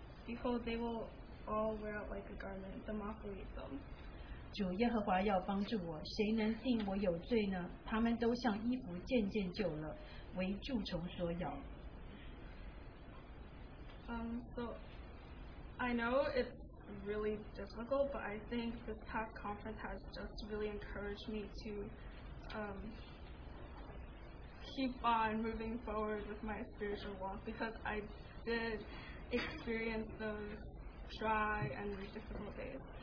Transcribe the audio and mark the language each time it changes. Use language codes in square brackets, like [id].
[en] Behold, they will all wear out like a garment. The mockery of them. [zh] 主耶和华要帮助我, 谁能定我有罪呢? 他们都像衣服渐渐旧了, 为蛀虫所咬。 [en] So I know it's really difficult, but I think this past conference has just really encouraged me to keep on moving forward with my spiritual walk, because I did experience those dry and difficult days.